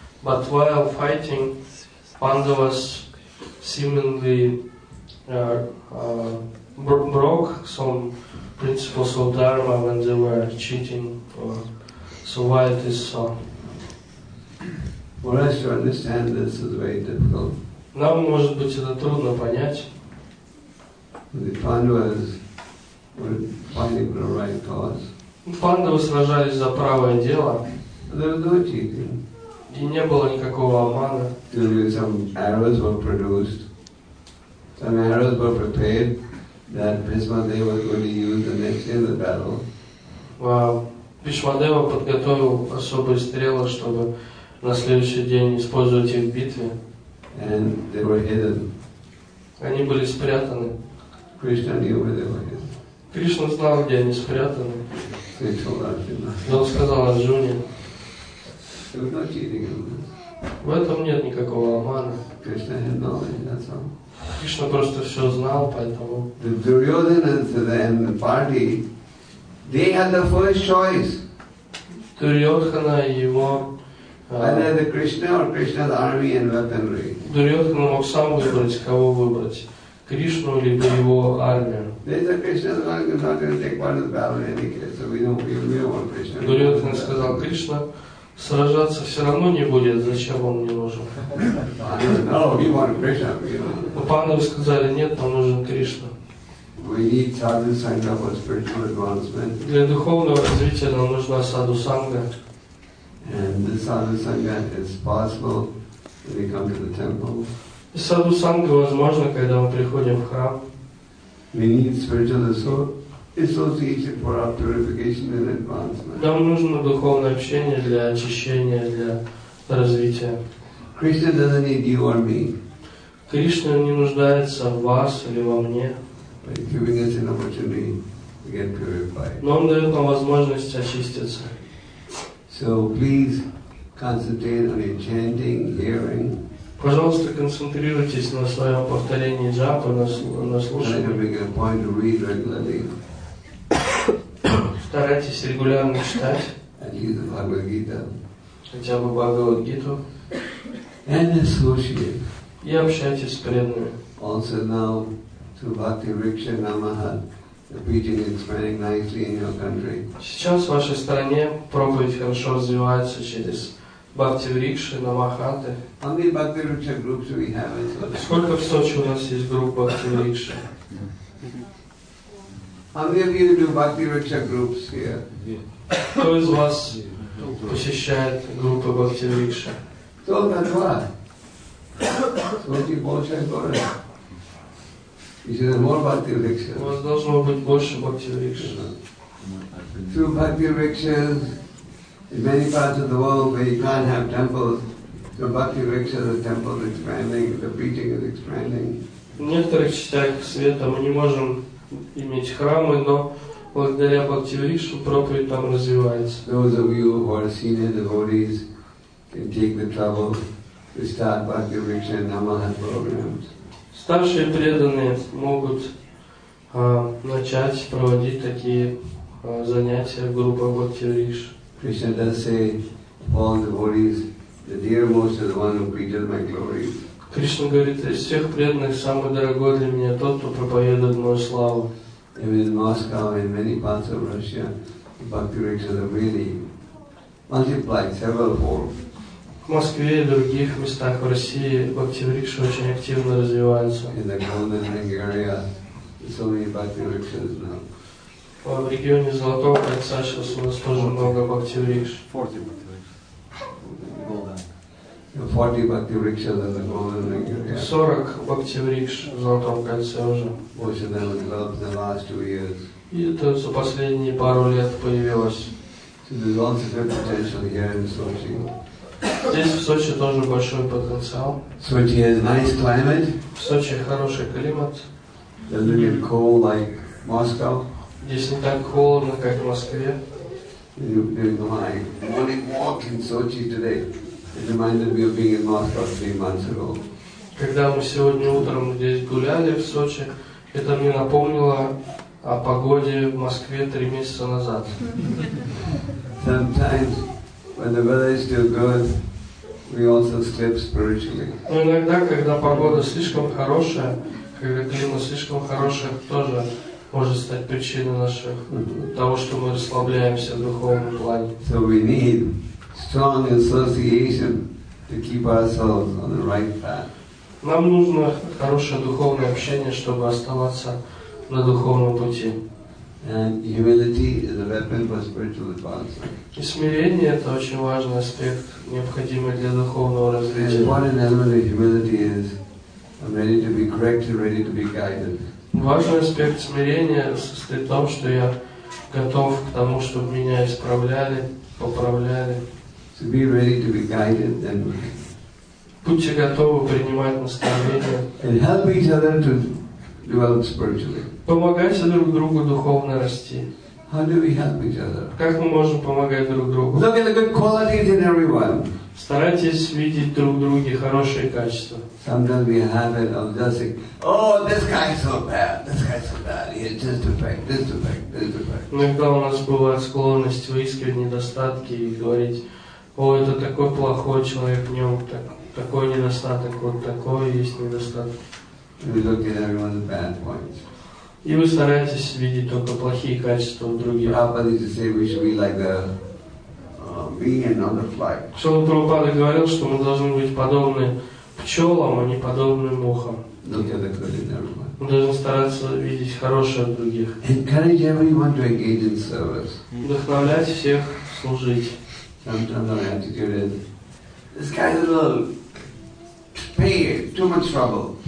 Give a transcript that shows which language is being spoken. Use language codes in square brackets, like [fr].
[en] But while fighting, Pandavas seemingly broke some principles of dharma when they were cheating. So why it is so? For us to understand this is very difficult. [ru] Нам, может быть, это трудно понять. [en] The Pandavas were fighting for the right cause. [ru] Пандавы сражались за правое дело. [en] There was no cheating. [ru] И не было никакого обмана. [en] Some arrows were produced. Some arrows were prepared that Bhishmadeva was going to use the next day in the battle. [ru] Бхишмадева подготовил особые стрелы, чтобы на следующий день использовать их в битве. [en] And they were hidden. [ru] Они были спрятаны. [en] Krishna knew where they were hidden. [ru] Кришна знал, где они спрятаны. [en] He told Arjuna. [ru] Но он сказал Арджуне. [en] There was no cheating in this. [ru] В этом нет никакого обмана. [en] Krishna had knowledge, that's all. [ru] Кришна просто все знал, поэтому. [en] The Duryodhanas and the party, they had the first choice. [ru] Duryodhana и его. [en] Either the Krishna or Krishna's army and weaponry. [ru] Дурьотхана мог сам выбрать, кого выбрать, Кришну либо его армию. [en] There's a Krishna army, he's not going to take part in the battle in any case, so we don't want Krishna. [ru] Дурьотхана сказал, Кришна сражаться все равно не будет, зачем он мне нужен? [en] No, we want Krishna. [ru] Но Пандавы сказали, нет, нам нужен Кришна. [en] We need sadhu sangha for spiritual advancement. [ru] Для духовного развития нам нужна саду санга. [en] And the sadhu sangha is possible when we come to the temple. [ru] Саду санга возможно, когда мы приходим в храм. [en] We need spiritual association for our purification and advancement. [ru] Нам нужно духовное общение для очищения, для развития. Krishna doesn't need you or me. Кришна не нуждается в вас или во мне. But he's giving us an opportunity to get purified. Но он дает нам возможность очиститься. So please concentrate on your chanting, hearing. Пожалуйста, концентрируйтесь на своем повторении джапы, на слушании. Старайтесь регулярно читать. Хотя бы Бхагавад-гиту. [en] And associate. [ru] И общайтесь с преданными. [en] Also now, to Bhakti Riksha Namaha. The preaching is spreading nicely in your country. [ru] Сейчас в вашей стране проповедь хорошо развивается через Бхакти Рикши, Намахаты. [en] How many Bhakti Riksha groups do we have in Sochi? [ru] Сколько в Сочи у нас есть групп Бхакти Рикши? [en] How many of you do Bhakti Riksha groups here? [ru] Кто из вас посещает группы Бхакти Рикши? Кто на два? Сочи большой город. [en] He said, more Bhakti Rikshas. [ru] У вас должно быть больше Бхакти Рикшас. [en] Through Bhakti Rikshas, in many parts of the world where you can't have temples, through Bhakti Rikshas, the temple is expanding, the preaching is expanding. [ru] В некоторых частях света мы не можем иметь храмы, но благодаря Бхакти Рикшу проповедь там развивается. [en] Those of you who are senior devotees can take the trouble to start Bhakti Riksha and Namaha programs. [ru] Старшие преданные могут начать проводить такие занятия в группах Бхакти Рикш. [en] Krishna does say, all devotees, the dearmost is the one who preaches my glory. [ru] Кришна говорит, из всех преданных самый дорогой для меня тот, кто проповедует мою славу. [en] Even in Moscow and many parts of Russia, Bhakti Rikshas are really multiplied several fold. [ru] В Москве и других местах в России Бхакти Рикши очень активно развиваются. [en] In the Golden Ring area, so many Bhakti Rikshas now. [ru] В регионе Золотого кольца сейчас у нас тоже много Бхакти Рикш. 40 Бхакти Рикш. [en] Golden. 40 bhakti riksha in the golden ring. [ru] 40 bhakti riksh в золотом кольце уже. [en] Was in the last 2 years. [ru] И это за последние пару лет появилось. [en] So there's lots of potential here in Sochi. [ru] Здесь в Сочи тоже большой потенциал. [en] Sochi has nice climate. [ru] В Сочи хороший климат. [en] A little bit cold like Moscow. [ru] Здесь не так холодно, как в Москве. [en] Morning walk in Sochi today. It reminded me of being in Moscow 3 months ago. [ru] Когда мы сегодня утром здесь гуляли в Сочи, это мне напомнило о погоде в Москве 3 месяца назад. [en] Sometimes, when the weather is still good, we also slip spiritually. [ru] Но иногда, когда погода слишком хорошая, когда климат слишком хороший, тоже может стать причиной наших того, что мы расслабляемся в духовном плане. [en] So we need strong association to keep ourselves on the right path. [ru] Нам нужно хорошее духовное общение, чтобы оставаться на духовном пути. [en] And humility is a weapon for spiritual advancement. [ru] И смирение – это очень важный аспект, необходимый для духовного развития. [en] And one element of humility is I'm ready to be corrected, ready to be guided. [ru] Важный аспект смирения состоит в том, что я готов к тому, чтобы меня исправляли, поправляли. [en] To be ready to be guided, then. [ru] Будьте готовы принимать наставления. [en] And help each other to develop spiritually. [ru] Помогайте друг другу духовно расти. [en] How do we help each other? [ru] Как мы можем помогать друг другу? [en] Look at the good qualities in everyone. [ru] Старайтесь видеть друг в друге хорошие качества. [en] Sometimes we have it of just saying, oh, this guy's so bad, this guy's so bad, he's just a prick, this a prick, this a prick. [ru] Иногда у нас бывает склонность выискивать недостатки и говорить, о, это такой плохой человек, в нем такой недостаток, вот такой есть недостаток. [en] We look at everyone's bad points. [ru] И вы стараетесь видеть только плохие качества у других. [en] Prabhupada used to say we should be like a being on the fly. [ru] Шрила Прабхупада говорил, что мы должны быть подобны пчелам, а не подобны мухам. [en] Look at the good in everyone. [ru] Мы должны стараться видеть хорошее в других. [en] Encourage everyone to engage in service. [ru] Вдохновлять всех служить. [en] Sometimes our attitude is, this guy's a little pain, too much trouble.